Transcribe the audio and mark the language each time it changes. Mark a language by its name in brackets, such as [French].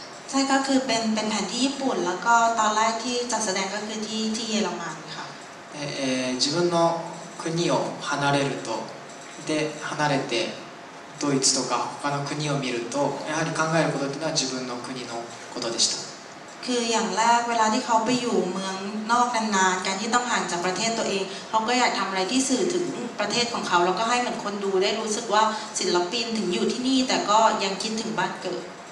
[Thai] ใช่ก็คือเป็นแผนที่ญี่ปุ่นแล้วก็ตอนแรกที่จะแสดงก็คือที่เยอรมันค่ะ。 [Japanese] 自分の国を離れるとで離れてドイツとか他の国を見るとやはり考えることというのは自分の国のことでした。 [Thai] คืออย่างแรกเวลาที่เขาไปอยู่เมืองนอกนานๆการที่ต้องห่างจากประเทศตัวเองเขาก็อยากทำอะไรที่สื่อถึงประเทศของเขาแล้วก็ให้เหมือนคนดูได้รู้สึกว่าศิลปินถึงอยู่ที่นี่แต่ก็ยังคิดถึงบ้านเกิด